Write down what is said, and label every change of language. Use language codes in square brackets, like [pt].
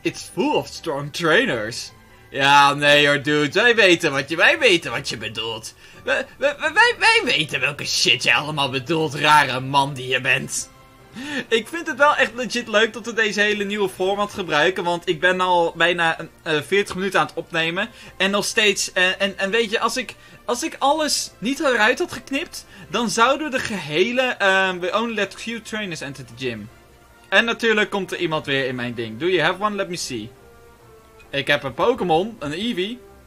[en] It's full of strong trainers. [nl] Ja, nee hoor, dude. Wij weten wat je bedoelt. Wij weten welke shit je allemaal bedoelt, rare man die je bent. Ik vind het wel echt legit leuk dat we deze hele nieuwe format gebruiken. Want ik ben al bijna 40 minuten aan het opnemen. En nog steeds... En weet je, als ik alles niet eruit had geknipt... Dan zouden we de gehele... [en] We only let few trainers enter the gym. [nl] En natuurlijk komt er iemand weer in mijn ding. [en] Do you have one? Let me see. [nl] Ik heb een Pokémon, een Eevee.